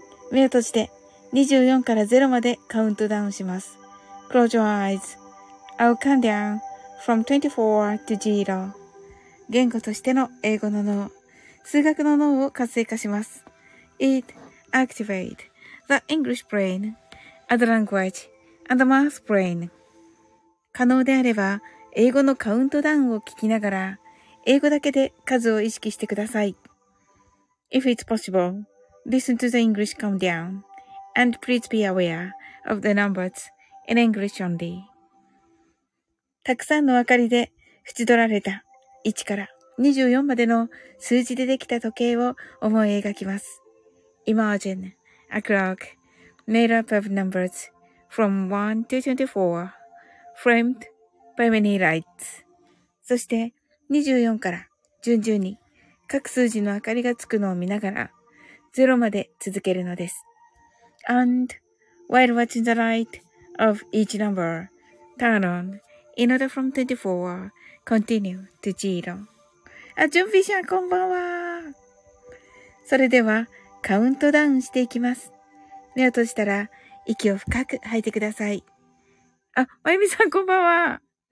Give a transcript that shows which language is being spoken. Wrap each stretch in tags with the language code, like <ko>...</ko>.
<ja>目を閉じて、24から0までカウントダウンします。</ja> <en>Close your eyes. I'll count down from 24 to 0.</en> <ja>言語としての英語の脳、数学の脳を活性化します。</ja> <en>It activates the English brain, and the language, and the math brain.</en> <ja>可能であれば、英語のカウントダウンを聞きながら、英語だけで数を意識してください。</ja> <en>If it's possible, listen to the English countdown, and please be aware of the numbers in English only.</en> <ja>たくさんの明かりで縁取られた1から24までの数字でできた時計を思い描きます。</ja> <en>Imagine a clock made up of numbers from 1 to 24, framed by many lights.</en> <ja>そして24から順々に各数字の明かりがつくのを見ながら0まで続けるのです。</ja> <en>And while watching the light of each number turn on in order from 24, continue to 0.</en> <ja>あ、準備者、こんばんは。それではカウントダウンしていきます。目を閉じたら息を深く吐いてください。あ、まゆみさん、こんばんは。</ja>